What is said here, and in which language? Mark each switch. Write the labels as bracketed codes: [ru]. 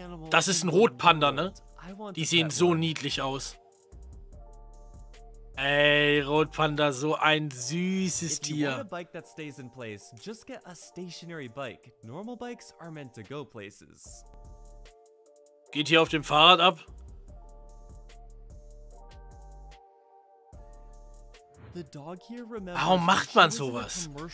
[de] Das ist ein Rotpanda, ne? Die sehen so niedlich aus. Ey, Rotpanda, so ein süßes Tier. [en] If you want a bike that stays in place, just get a stationary bike. Normal bikes are meant to go places. [de] Geht hier auf dem Fahrrad ab? Warum macht man sowas?